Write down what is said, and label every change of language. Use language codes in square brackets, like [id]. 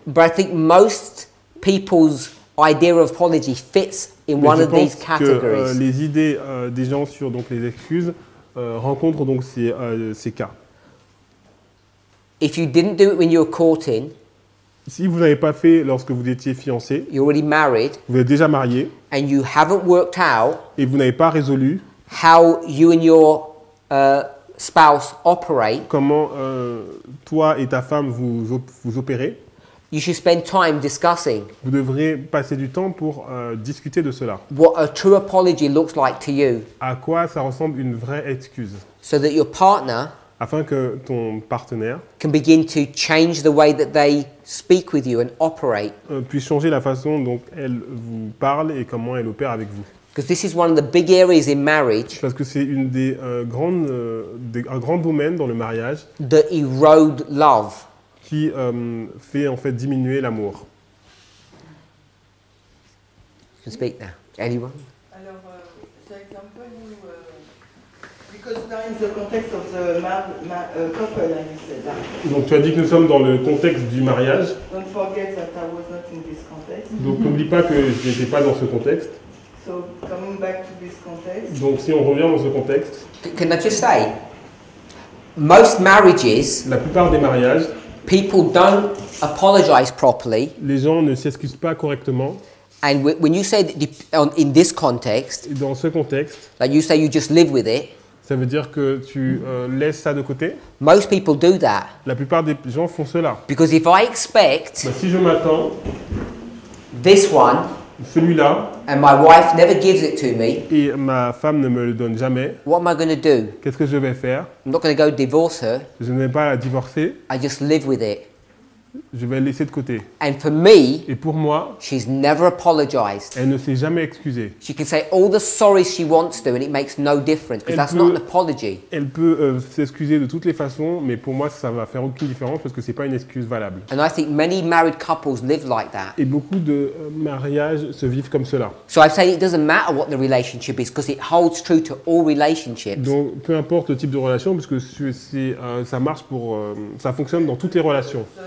[en] But I think most people's idea of apology fits in [fr] mais [en] one of these categories. [fr] Que, les idées des gens sur donc les excuses rencontrent donc ces cas. [en] If you didn't do it when you were courting, [fr] si vous n'avez pas fait lorsque vous étiez fiancé, [en] you're already married, [fr] vous êtes déjà marié, [en] and you haven't worked out, [fr] et vous n'avez pas résolu [en] how you and your spouse operate, [fr] comment toi et ta femme vous opérez, [en] you should spend time discussing. [fr] Vous devrez passer du temps pour discuter de cela. [en] What a true apology looks like to you. [fr] À quoi ça ressemble une vraie excuse. [en] So that your partner, [fr] afin que ton partenaire, [en] can begin to change the way that they speak with you and operate. [fr] Puisse changer la façon dont elle vous parle et comment elle opère avec vous. [en] Because this is one of the big areas in marriage. [fr] Parce que c'est une des grandes, un grand domaine dans le mariage. [en] That erode love. [fr] Qui fait en fait diminuer l'amour. [en] You can speak now. Anyone? [fr] Alors, c'est un peu nous. [en] Because now in the context of the couple, I said that. [fr] Donc, tu as dit que nous sommes dans le contexte du mariage. [en] Don't forget that I was not in this context. [fr] Donc, n'oublie pas que je n'étais pas dans ce contexte. [en] So, coming back to this context. [fr] Donc, si on revient dans ce contexte. [en] Can I just say, most marriages. [fr] La plupart des mariages. [en] People don't apologize properly. [fr] Les gens ne s'excusent pas correctement. [en] And when you say that in this context, [fr] dans ce contexte, [en] like you say you just live with it, [fr] ça veut dire que tu laisses ça de côté. [en] Most people do that. [fr] La plupart des gens font cela. [en] Because if I expect, [fr] bah, si je m'attends, [en] this one, [fr] celui-là, [en] and my wife never gives it to me, [fr] et ma femme ne me le donne jamais, [en] what am I going to do? [fr] Qu'est-ce que je vais faire? [en] I'm not going to go divorce her. [fr] Je ne vais pas la divorcer. [en] I just live with it. [fr] Je vais la laisser de côté. [en] And for me, [fr] et pour moi, [en] she's never apologized. [fr] Elle ne s'est jamais excusée. [en] She can say all the sorry she wants to, and it makes no difference because that's not an apology. [fr] Elle peut s'excuser de toutes les façons, mais pour moi, ça va faire aucune différence parce que c'est pas une excuse valable. [en] And I think many married couples live like that. [fr] Et beaucoup de mariages se vivent comme cela. [en] So I say it doesn't matter what the relationship is because it holds true to all relationships. [fr] Donc peu importe le type de relation, parce que c'est ça marche pour ça fonctionne dans toutes les relations.